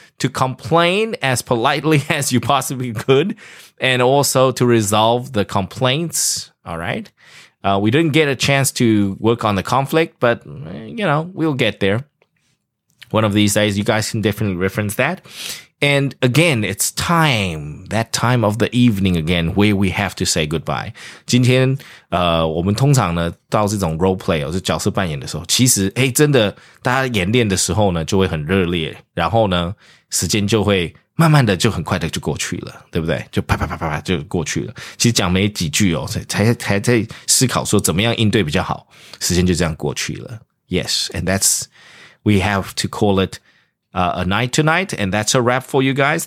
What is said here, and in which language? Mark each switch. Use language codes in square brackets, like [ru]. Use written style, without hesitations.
[en] To complain as politely as you possibly could, and also to resolve the complaints, all right? We didn't get a chance to work on the conflict, but, you know, we'll get there. One of these days, you guys can definitely reference that. And again, it's time, that time of the evening again, where we have to say goodbye. [zh] 今天我们通常呢到这种 role play, 就角色扮演的时候其实诶真的大家演练的时候呢就会很热烈然后呢时间就会慢慢的就很快的就过去了对不对就啪啪啪啪啪就过去了。其实讲没几句哦才在思考说怎么样应对比较好时间就这样过去了。 [en] Yes, and that's, we have to call itA night tonight, and that's a wrap for you guys.